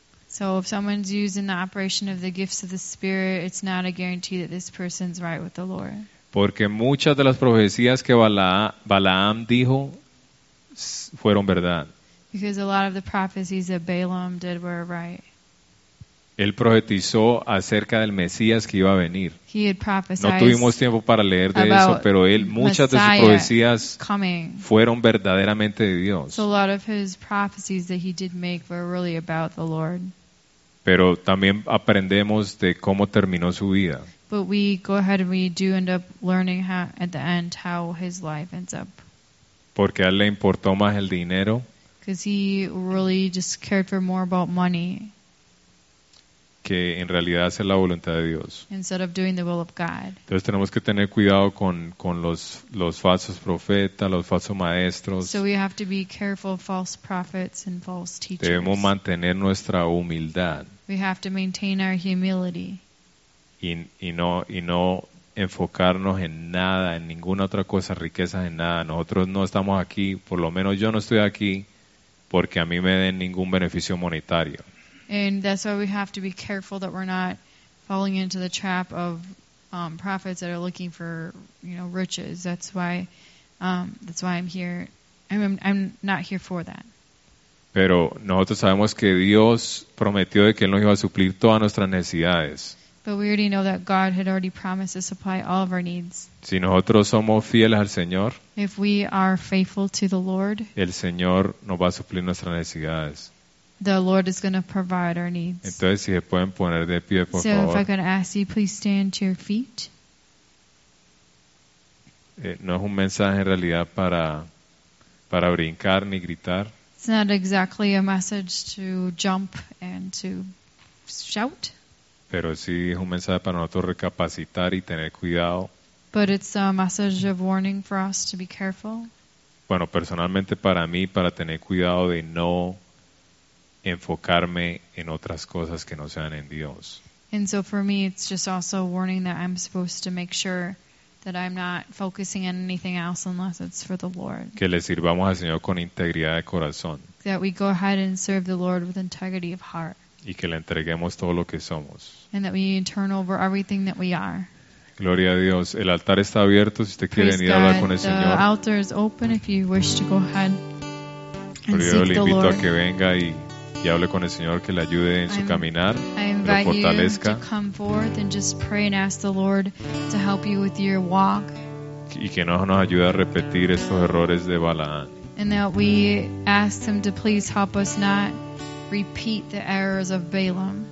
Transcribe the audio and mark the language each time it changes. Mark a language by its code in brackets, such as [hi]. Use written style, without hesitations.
[en] So if someone's using the operation of the gifts of the Spirit, it's not a guarantee that this person's right with the Lord. [es] Porque muchas de las profecías que Balaam dijo fueron verdad. [en] Because a lot of the prophecies that Balaam did were right. [es] Él profetizó acerca del Mesías que iba a venir. [en] He had prophesied. [es] No tuvimos tiempo para leer de eso, pero él muchas [en] Messiah [es] de sus profecías [en] coming. [es] Fueron verdaderamente de Dios. [en] So a lot of his prophecies that he did make were really about the Lord. [es] Pero también aprendemos de cómo terminó su vida. [en] But we go ahead and we do end up learning how, at the end how his life ends up. [es] Porque a él le importó más el dinero. [en] Because he really just cared for more about money. [es] Que en realidad hacer la voluntad de Dios. [en] Instead of doing the will of God. [es] Entonces tenemos que tener cuidado con los falsos profetas, los falsos maestros. [en] So we have to be careful of false prophets and false teachers. [es] Debemos mantener nuestra humildad. [en] We have to maintain our humility. [es] Y no enfocarnos en nada, en ninguna otra cosa, riquezas, en nada. Nosotros no estamos aquí, por lo menos yo no estoy aquí, porque a mí me den ningún beneficio monetario. [en] And that's why we have to be careful that we're not falling into the trap of prophets that are looking for, you know, riches. That's why I'm here. I'm not here for that. [es] Pero nosotros sabemos que Dios prometió de que él nos iba a suplir todas nuestras necesidades. [en] But we already know that God had already promised to supply all of our needs. [es] Si nosotros somos fieles al Señor, [en] if we are faithful to the Lord, [es] el Señor nos va a suplir nuestras necesidades. [en] The Lord is going to provide our needs. [es] Entonces, si se pueden poner de pie, por favor. [en] If I could ask you, please stand to your feet. [es] No es un mensaje en realidad para brincar ni gritar. [en] It's not exactly a message to jump and to shout. [es] Pero sí es un mensaje para nosotros recapacitar y tener cuidado. [en] But it's a message of warning for us to be careful. [es] Bueno, personalmente para mí, para tener cuidado de no enfocarme en otras cosas que no sean en Dios. [en] And so for me, it's just also a warning that I'm supposed to make sure that I'm not focusing on anything else unless it's for the Lord. [es] Que le sirvamos al Señor con integridad de corazón. [en] That we go ahead and serve the Lord with integrity of heart. [es] Y que le entreguemos todo lo que somos. [en] And that we turn over everything that we are. [es] Gloria a Dios. El altar está abierto si usted quiere venir a hablar con el Señor. [en] The altar is open if you wish to go ahead and seek the Lord. [es] Le invito a que venga y hable con el Señor, que le ayude en su caminar, lo fortalezca. [en] You to come forth and just pray and ask the Lord to help you with your walk. [es] Y que nos ayude a repetir estos errores de Balaam. [en] And that we ask him to please help us not repeat the errors of Balaam.